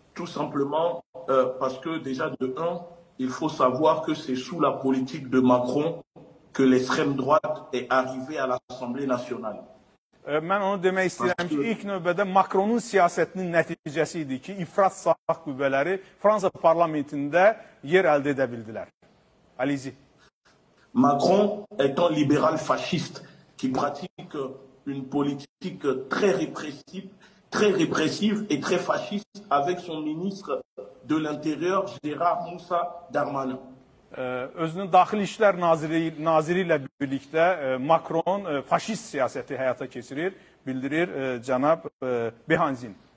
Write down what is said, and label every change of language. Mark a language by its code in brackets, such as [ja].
[fr] tout simplement parce que déjà de un, il faut savoir que c'est sous la politique de Macron que l'extrême droite est arrivée à l'Assemblée nationale. [az] Mən onu demək istəyirəm [fr] Parce [az] ki, [fr] que [az] ilk növbədə Macronun siyasətinin nəticəsidir ki, ifrat sağ qüvvələri Fransa parlamentində yer əldə edə bildilər. [fr] Allez-y. Macron est un libéral fasciste qui pratique une politique très répressive et très fasciste avec son ministre de l'Intérieur, Gérard Moussa Darmanin. [az] Özünün Daxili İşlər Naziri ilə birlikdə Macron faşist siyasəti həyata keçirir, bildirir cənab Behanzin.